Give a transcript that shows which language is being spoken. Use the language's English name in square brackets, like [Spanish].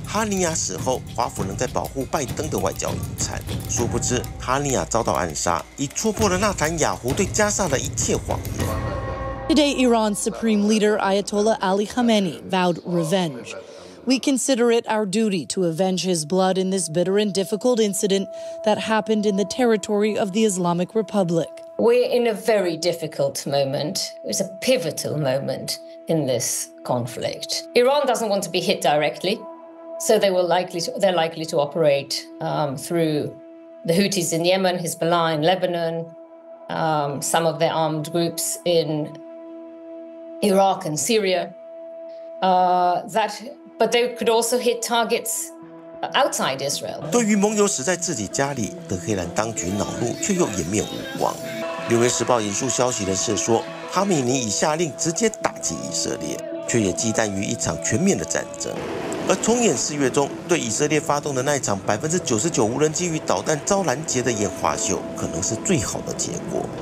[Chinese] 哈尼亚死后，华府仍在保护拜登的外交遗产。殊不知，哈尼亚遭到暗杀，已戳破了纳坦雅胡对加萨的一切谎言。 [English] Today, Iran's supreme leader Ayatollah Ali Khamenei vowed revenge. We consider it our duty to avenge his blood in this bitter and difficult incident that happened in the territory of the Islamic Republic. We're in a very difficult moment. It's a pivotal moment in this conflict. Iran doesn't want to be hit directly, so they're likely to operate through the Houthis in Yemen, Hezbollah in Lebanon, some of their armed groups in Iraq and Syria. But they could also hit targets outside Israel. [Chinese] 对于盟友死在自己家里，德黑兰当局恼怒，却又颜面无光。 《纽约时报》引述消息人士说，哈米尼已下令直接打击以色列，却也忌惮于一场全面的战争。而重演四月中对以色列发动的那场99%无人机与导弹遭拦截的演化秀，可能是最好的结果。